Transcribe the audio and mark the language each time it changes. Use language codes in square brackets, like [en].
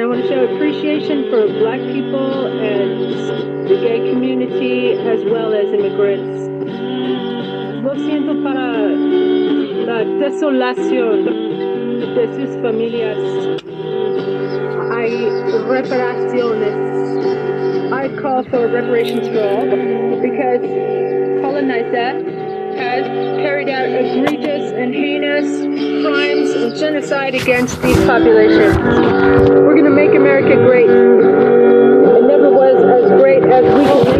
[en] I want to show appreciation for black people and the gay community, as well as immigrants. [es] Lo siento para la desolación de sus familias. Hay reparaciones. [en] I call for reparations for all because colonizer has carried out egregious and heinous crimes and genocide against these populations. We're going to make America great. It never was as great as we can make it.